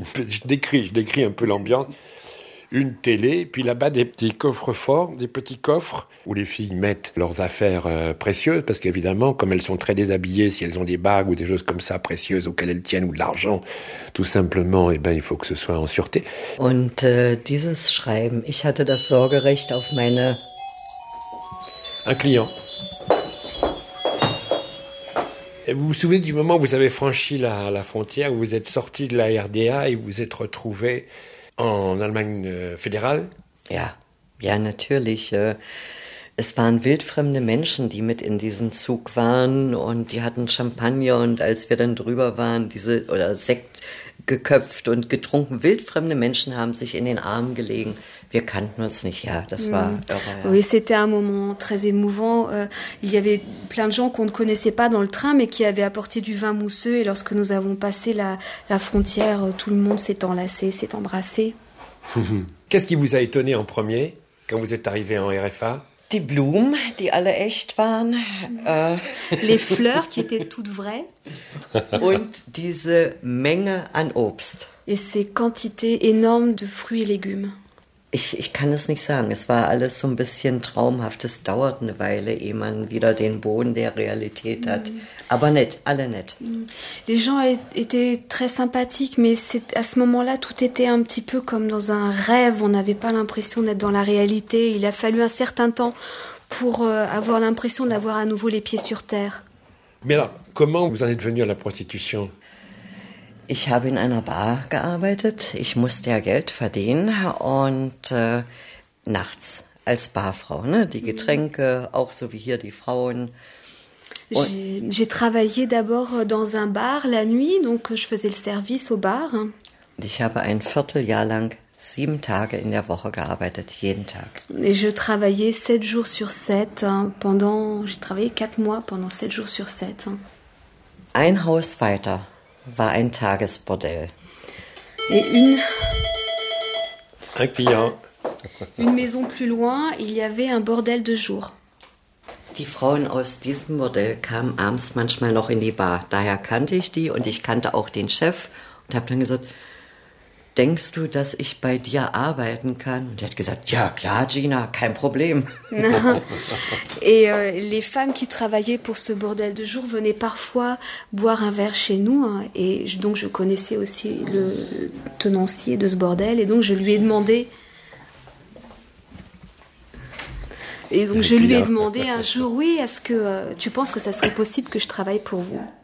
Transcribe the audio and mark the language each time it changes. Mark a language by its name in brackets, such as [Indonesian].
[French] Je décris un peu l'ambiance. Une télé, puis là-bas des petits coffres forts, des petits coffres où les filles mettent leurs affaires précieuses, parce qu'évidemment, comme elles sont très déshabillées, si elles ont des bagues ou des choses comme ça précieuses auxquelles elles tiennent, ou de l'argent, tout simplement, eh ben, il faut que ce soit en sûreté. [German] Und dieses Schreiben, ich hatte das Sorgerecht auf meine... [French] Un client. Vous vous souvenez du moment où vous avez franchi la frontière, où vous êtes sorti de la RDA et vous êtes retrouvé en Allemagne fédérale? [German] Ja, ja, natürlich. Es waren wildfremde Menschen, die mit in diesem Zug waren und die hatten Champagner und als wir dann drüber waren, oder Sekt geköpft und getrunken. Wildfremde Menschen haben sich in den Armen gelegen. Wir kannten uns nicht, ja, das war irre. [French] Oui, c'était un moment très émouvant. Il y avait plein de gens qu'on ne connaissait pas dans le train, mais qui avaient apporté du vin mousseux. Et lorsque nous avons passé la frontière, tout le monde s'est enlacé, s'est embrassé. Qu'est-ce qui vous a étonné en premier, quand vous êtes arrivé en RFA? [German] Die Blumen, die alle echt waren. [French] Les fleurs qui étaient toutes vraies. [German] Und diese Menge an Obst. [French] Et ces quantités énormes de fruits et légumes. [German] Ich kann es nicht sagen. Es war alles so ein bisschen traumhaft. Es dauert eine Weile, ehe man wieder den Boden der Realität hat. Aber nett, alle nett. [French] Les gens étaient très sympathiques, mais à ce moment-là, tout était un petit peu comme dans un rêve. On n'avait pas l'impression d'être dans la réalité. Il a fallu un certain temps pour avoir l'impression d'avoir à nouveau les pieds sur terre. Mais alors, comment vous en êtes venu à la prostitution? [German] Ich habe in einer Bar gearbeitet. Ich musste ja Geld verdienen und nachts als Barfrau, ne? Die Getränke, auch so wie hier die Frauen. [French] J'ai travaillé d'abord dans un bar la nuit, donc je faisais le service au bar. [German] Ich habe ein Vierteljahr lang 7 Tage in der Woche gearbeitet, jeden Tag. [French] Et je travaillais 7 jours sur 7 j'ai travaillé 4 mois pendant 7 jours sur 7. [German] Ein Haus weiter war ein Tagesbordell. [French] Et une... Un client. Une maison plus loin, il y avait un bordel de jour. [German] Die Frauen aus diesem Bordell kamen abends manchmal noch in die Bar. Daher kannte ich die und ich kannte auch den Chef und habe dann gesagt, denkst du, dass ich bei dir arbeiten kann? Und er hat gesagt, ja, klar, Gina, kein Problem. [French] Et les femmes qui travaillaient pour ce bordel de jour venaient parfois boire un verre chez nous. Hein, et donc, je connaissais aussi le tenancier de ce bordel. Et donc, je lui ai demandé... Et donc, je lui ai demandé un jour, oui, est-ce que tu penses que ça serait possible que je travaille pour vous?